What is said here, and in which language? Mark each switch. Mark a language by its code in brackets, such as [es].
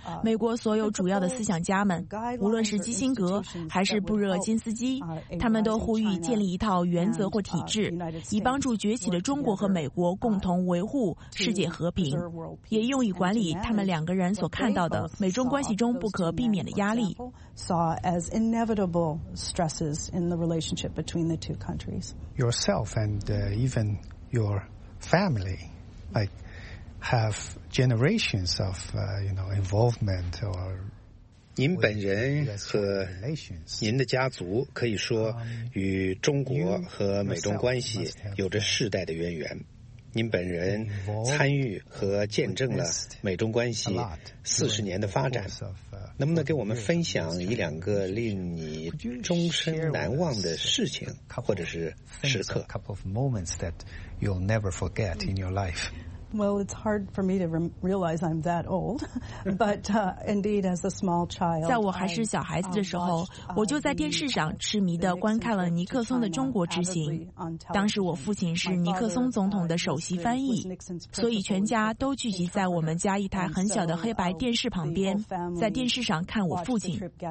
[zh] 美国所有主要的思想家们，无论是基辛格还是布热津斯基，他们都呼吁建立一套原则或体制，以帮助崛起的中国和美国共同维护世界和平，也用以管理他们两个人所看到的美中关系中不可避免的压力。 [en] Yourself and even your family, like, have generations of, you know, involvement or. [zh] 您本人和您的家族可以说与中国和美中关系有着世代的渊源。您本人参与和见证了美中关系40年的发展，能不能给我们分享一两个令你终身难忘的事情或者是时刻 [en] ？Couple of moments that you'll never forget in your life. Well, it's hard for me to realize I'm that old, but indeed, as a small child, [zh] 在我还是小孩子的时候，我就在电视上痴迷地观看了尼克松的中国之行。当时我父亲是尼克松总统的首席翻译，所以全家都聚集在我们家一台很小的黑白电视旁边，在电视上看我父亲。